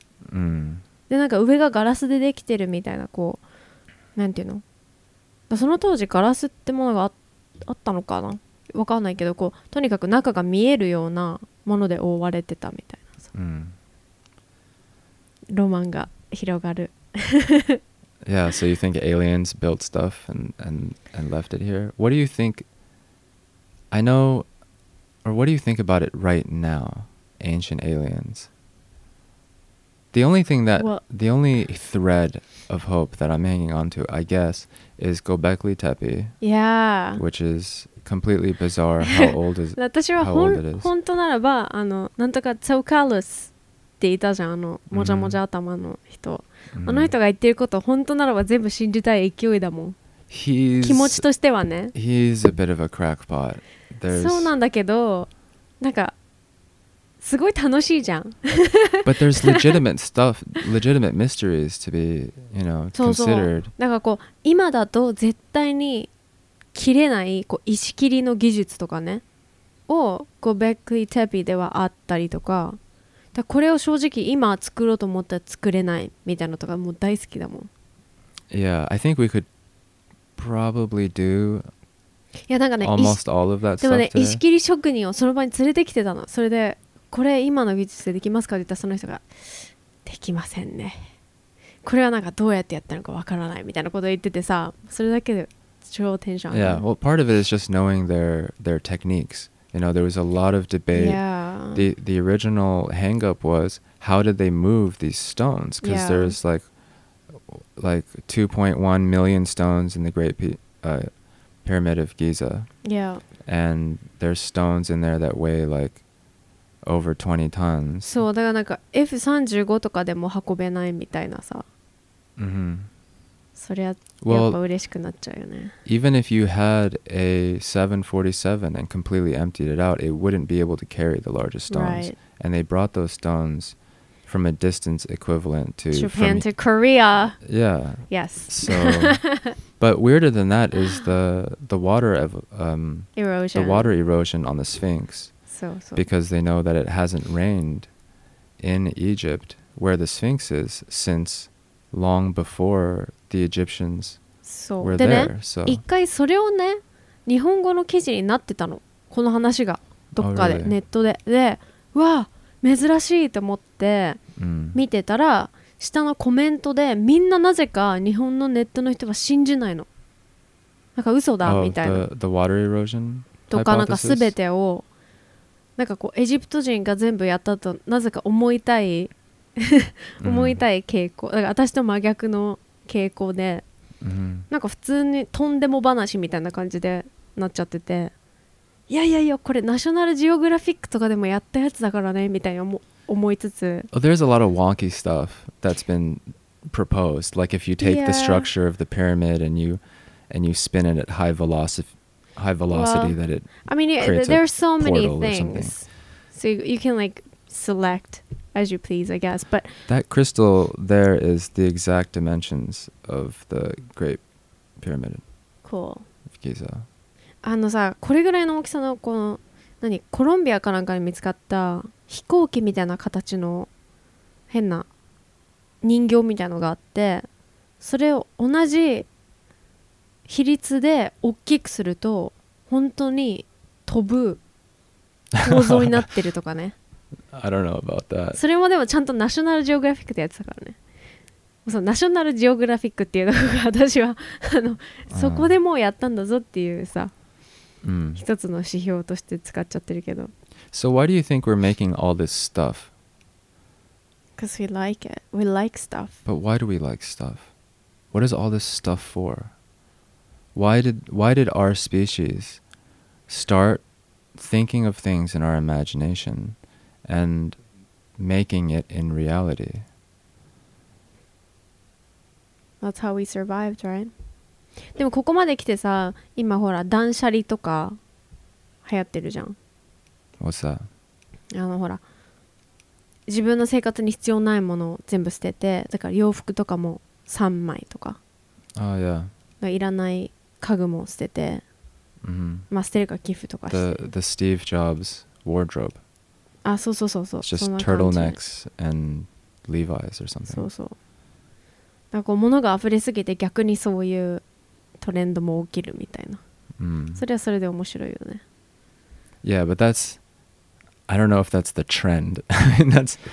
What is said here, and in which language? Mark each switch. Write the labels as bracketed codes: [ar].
[ja] うん。でなんか上がガラスでできてるみたいなこうなんていうの？その当時ガラスってものがあったのかな？わかんないけどこうとにかく中が見えるようなもので覆われてたみたいなさ。うん。ロマンが広がる。 [en] Yeah, so you think aliens built stuff and left it here? What do you think? I know, or what do you think about it right now, ancient aliens? The only thing that, the only thread of hope that I'm hanging on to, I guess, is Göbekli Tepe. Yeah. Which is completely bizarre how old is, how old it is. [ja] 本当ならば、あの、なんとかチョウカルスっていたじゃん、あの、もじゃもじゃ頭の人。 Mm-hmm. あの人が言ってること、本当ならば全部信じたい勢いだもん。 [en] He's, [ja] 気持ちとしてはね。 [en] He's a bit of a crackpot. There's... [ja] そうなんだけど、なんか、すごい楽しいじゃん。 [en] But there's legitimate stuff, legitimate mysteries to be, you know, considered. [ja] そうそう。なんかこう、今だと絶対に切れないこう石切りの技術とかね、をこうベックリテピではあったりとか、だこれを正直今作ろうと思ったら作れないみたいなとかもう大好きだもん。 [en] Yeah, I think we could probably do. [ja] いやなんかね、 [en] almost all of that stuff [ja] でもね、石切り職人をその場に連れてきてたの。それで。これ今の技術でできますかって言ったらその人ができませんね。これはなんかどうやってやったのかわからないみたいなことを言っててさ、それだけで超テンション上がる。 [en] Yeah, well, part of it is just knowing their techniques. You know, there was a lot of debate. Yeah. The original hang up was how did they move these stones? Because yeah. there's like 2.1 million stones in the Great Pyramid of Giza. Yeah. And there's stones in there that weigh like. Over 20 tons. [ja] そうだからなんか F35 とかでも運べないみたいなさ。 Mm-hmm. そりゃやっぱ嬉しくなっちゃうよね。 [en] Well, even if you had a 747 and completely emptied it out, it wouldn't be able to carry the largest stones. Right. And they brought those stones from a distance equivalent to Japan to Korea. Yeah. Yes. So, but weirder than that is the water of erosion. The water erosion on the Sphinx. So. Because they know that it hasn't rained in Egypt where the Sphinx is since long before the Egyptians so. were [ja] で、ね、 [en] there. So. [ja] 一回それをね、日本語の記事になってたの。この話がどっかで、 [en] oh, really? [ja] ネットで。で、わあ、珍しいと思って見てたら、mm. 下のコメントでみんななぜか日本のネットの人は信じないの。なんか嘘だ、 oh, みたいな。 [en] The water erosion [ja] とかなんか全てを。なんかこうエジプト人が全部やったとなぜか思いたい思いたい傾向、mm-hmm. だから私と真逆の傾向で、 mm-hmm. なんか普通にとんでも話みたいな感じでなっちゃってて、いやいやいや、これナショナルジオグラフィックとかでもやったやつだからねみたいな思いつつ、 [en] oh, There's a lot of wonky stuff that's been proposed. Like if you take、 yeah. the structure of the pyramid and you spin it at high velocityhigh velocity well, that it I mean it, there are so many things so you can like select as you please I guess but that crystal there is the exact dimensions of the Great Pyramid cool of Giza [ja] あのさこれぐらいの大きさのこの何コロンビアかなんかに見つかった飛行機みたいな形の変な人形みたいなのがあってそれを同じ比率で大きくすると本当に飛ぶ構造になってるとかね。 [en] I don't know about that. [ja] それもでもちゃんとナショナルジオグラフィックでやってたからね。そのナショナルジオグラフィックっていうのが私はあのそこでもうやったんだぞっていうさ、うん、一つの指標として使っちゃってるけど。 [en] So why do you think we're making all this stuff? Because we like it. We like stuff. But why do we like stuff? What is all this stuff for? Why did our species start thinking of things in our imagination and making it in reality? That's how we survived, right? [ja] でもここまで来てさ、今ほら断捨離とか流行ってるじゃん。 [en] What's that? [ja] あのほら、自分の生活に必要ないものを全部捨てて、だから洋服とかも3枚とか。 [en] Oh, yeah. [ja] いらない。家具も捨てて、 mm-hmm. まあ捨てるか寄付とかして [en] the Steve Jobs wardrobe [ja] あ、そうそうそうそう [en] It's just turtlenecks and Levi's or something [ja] そうそうなんかこう物が溢れすぎて逆にそういうトレンドも起きるみたいな、 mm. それはそれで面白いよね [en] Yeah, but that's I don't know if that's the trend that's,